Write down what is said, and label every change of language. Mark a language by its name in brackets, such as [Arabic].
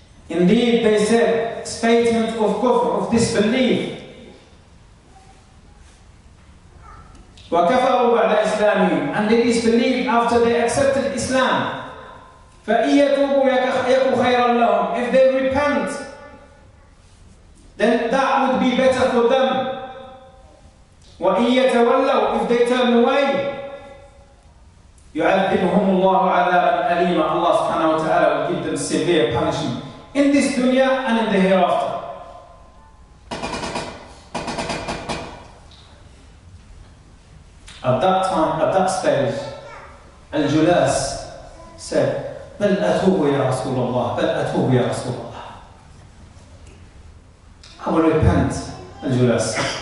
[English] Indeed, they said, statement of kufr, of disbelief. [Arabic] وَكَفَرُوا بَعْدَ إِسْلَامِهِمْ. [English] And they disbelieved after they accepted Islam. [Arabic] فإن يتوبوا يكون خيرا لهم. [English] If they repent, then that would be better for them. [Arabic] وإن يتولوا, [English] if they turn away, [Arabic] يعذبهم الله عذابا أليما. [English] Allah سبحانه وتعالى will give them severe punishment in this dunya and in the hereafter. At that time, at that stage, Al-Julas said, [Arabic] بَلْ أَتُوبُ يَا رَسُولَ اللَّهِ [English] بَلْ أَتُوبُ يَا رَسُولَ اللَّهِ I will repent, Al-Julas.